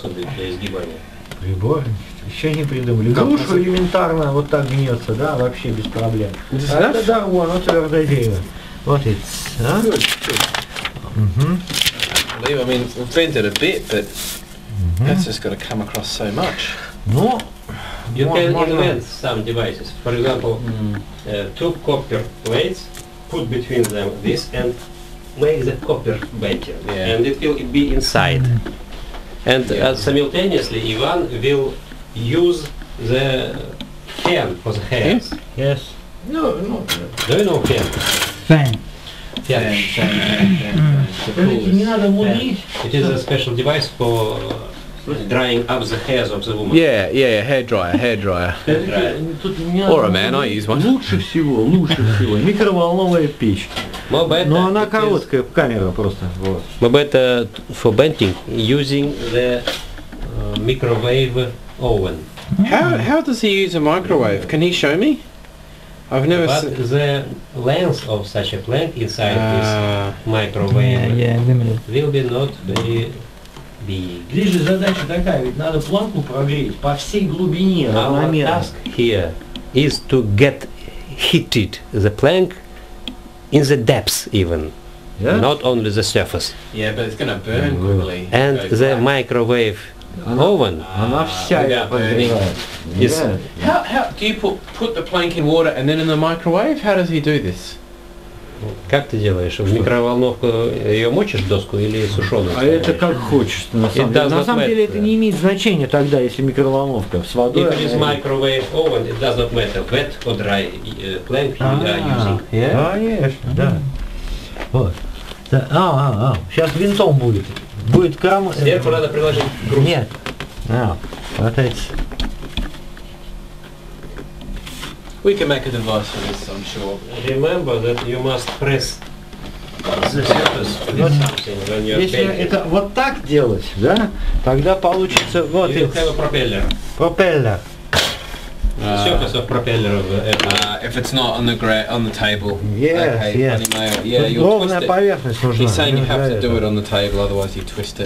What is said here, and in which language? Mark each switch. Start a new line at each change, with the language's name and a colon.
Russian: Какой-нибудь прибор нельзя приспособить для изгибания? Еще не придумали. Грушу элементарно вот так гнется, да, вообще без проблем. Это да, вон, вот твердое дерево. Вот это, да?
English: Good, good. I mean, we've bent it a bit, but that's just got to come across so much.
Russian: Ну,
English: you can invent some devices. For example, two copper plates, put between them this and make the copper better. Yeah. And it will be inside. And simultaneously, Ivan will use the hand for the hair. Yes. Yes. No, no. Do you know hand? Fan. Fan. Fan. It is a special device for drying up the hairs of the woman. Yeah, yeah, yeah, hair dryer. Or a man, I use one.
Russian: Лучше всего, микроволновая печь. Но она короткая, камера просто. Мы бы это
English: for bending using the microwave oven. How does he use a microwave? Can he show me? I've never seen. The length of such a plank inside this microwave will be not very big.
Russian: Здесь же задача такая, ведь надо планку прогреть по всей глубине.
English: Our task here is to get heated the plank in the depths even. Yeah? Not only the surface. Yeah, but it's gonna burn quickly. And the back. Microwave oven.
Russian: Она вся подгорает.
English: How do you put the plank in water and then in the microwave? How does he do this?
Russian: Как ты делаешь? В микроволновку ее мочишь, доску, или сушеную? А это как хочешь. На самом деле это не имеет значения тогда, если микроволновка с водой.
English: If it is microwave oven, it does not matter wet or dry plank you are using.
Russian: Конечно, да. Вот. Сейчас винтом будет. Будет кам... Сверху надо приложить груз. Нет. Вот эти.
English: We can make a device for this, I'm sure. Remember that you must press the surface with something when you're painting.
Russian: Если это вот так делать, да, тогда получится вот...
English: You have a propeller. Propeller. Surface of propeller of If it's not on the on the table. Yes, okay, yes. Yeah, you'll twist it. He's saying you have to do it on the table, otherwise you twist it.